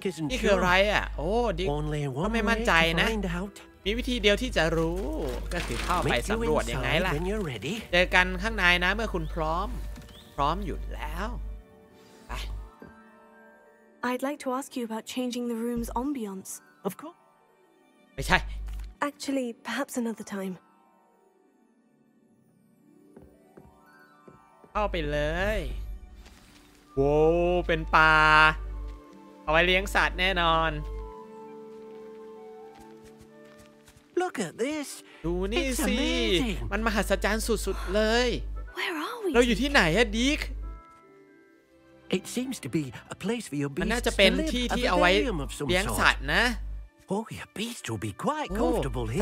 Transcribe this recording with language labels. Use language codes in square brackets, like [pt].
[th] นี่คืออะไรอ่ะโอ้ดิ๊กก็ไม่มั่นใจนะมีวิธีเดียวที่จะรู้ก็คือเข้าไปสำรวจยังไงล่ะเจอกันข้างในนะเมื่อคุณพร้อมหยุดแล้วไป [en] I'd like to ask you about changing the room's ambiance. Of course. [th] ไม่ใช่ [en] Actually, perhaps another time. [th] เข้าไปเลยโว้เป็นป่าเอาไว้เลี้ยงสัตว์แน่นอน [en] Look at this. [th] ดูนี่สิมันมหัศจรรย์สุดๆเลย [en] Where are we? [th] เราอยู่ที่ไหนอะดิก [en] It seems to be a place for your beasts. [th] มันน่าจะเป็นที่ที่เอาไว้เลี้ยงสัตว์นะ [en] Oh, your beasts will be quite comfortable here.